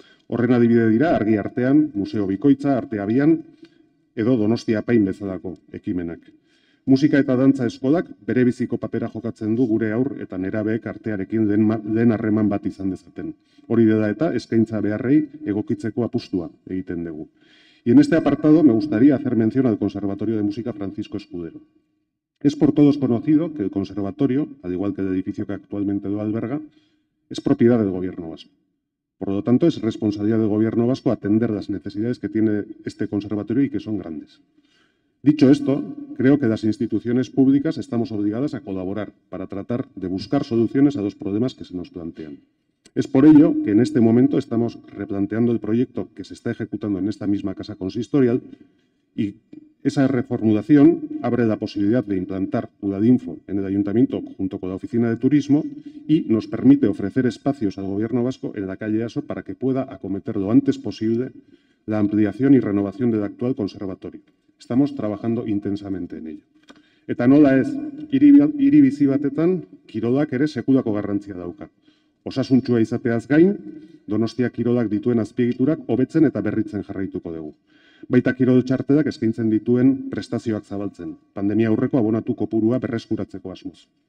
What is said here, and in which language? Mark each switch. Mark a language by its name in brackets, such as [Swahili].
[Basque] Horren adibide dira Argi Artean, Museo Bikoitza, Arte Abian, edo Donostia Apain bezalako ekimenak. Musika eta dantza eskolak bere biziko papera jokatzen du gure aur eta nerabeek artearekin lehen harreman bat izan dezaten. Hori dela eta eskaintza beharrei egokitzeko apustua egiten dugu. [Spanish] Y en este apartado me gustaría hacer mención al Conservatorio de Música Francisco Escudero. Es por todos conocido que el conservatorio, al igual que el edificio que actualmente lo alberga, es propiedad del Gobierno Vasco. Por lo tanto, es responsabilidad del Gobierno Vasco atender las necesidades que tiene este conservatorio y que son grandes. Dicho esto, creo que las instituciones públicas estamos obligadas a colaborar para tratar de buscar soluciones a los problemas que se nos plantean. Es por ello que en este momento estamos replanteando el proyecto que se está ejecutando en esta misma casa consistorial y esa reformulación abre la posibilidad de implantar Udadinfo en el Ayuntamiento junto con la Oficina de Turismo y nos permite ofrecer espacios al Gobierno Vasco en la calle Aso para que pueda acometer lo antes posible la ampliación y renovación del actual conservatorio. Estamos trabajando intensamente en ello. [Basque] Eta nola ez, hiri bizi batetan, kirolak ere sekulako garrantzia dauka. Osasuntsua izateaz gain, Donostia kirolak dituen azpiegiturak hobetzen eta berritzen jarraituko dugu. Baita kirol txartelak eskaintzen dituen prestazioak zabaltzen, pandemia aurreko abonatu kopurua berreskuratzeko asmoz.